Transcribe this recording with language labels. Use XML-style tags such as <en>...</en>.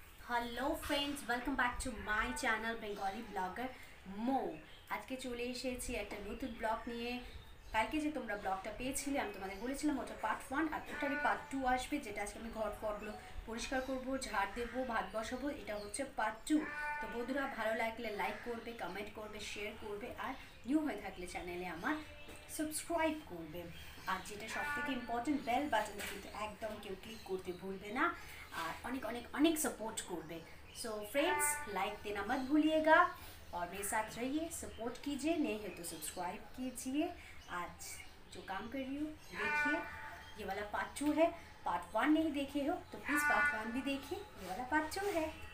<hi>Hello friends, welcome back to my channel Bengali blogger मो। आज के चले</hi> <bn>এসেছি একটা নতুন ব্লগ নিয়ে। কালকে যে তোমরা ব্লগটা পেয়েছিলে, আমি তোমাদের বলেছিলাম ওটা পার্ট 1, আর ওটারই পার্ট 2 আসবে, যেটা আজকে আমি ঘর করবো, পরিষ্কার করব, ঝাড় দেব, ভাত বসাবো, এটা হচ্ছে পার্ট 2। তো বন্ধুরা, ভালো লাগলে লাইক করবে, কমেন্ট করবে, শেয়ার করবে, আর নিউ হয়ে থাকলে চ্যানেলে আমার সাবস্ক্রাইব করবে। আর যেটা সবথেকে ইম্পর্টেন্ট, বেল বাটনটা কিন্তু একদম কেউ ক্লিক করতে ভুলবে না, আর অনেক অনেক অনেক সাপোর্ট করবে।</bn> <hi>সো ফ্রেন্ডস, লাইক দেনা মত ভুলিয়েগা, और मेरे साथ रहिए, सपोर्ट कीजिए, नहीं है तो सब्सक्राइब कीजिए। आज जो काम कर रही हूँ, देखिए ये वाला पार्ट 2 है। पार्ट 1 नहीं देखे हो तो प्लीज़ पार्ट 1 भी देखिए, ये वाला पार्ट 2 है।</hi>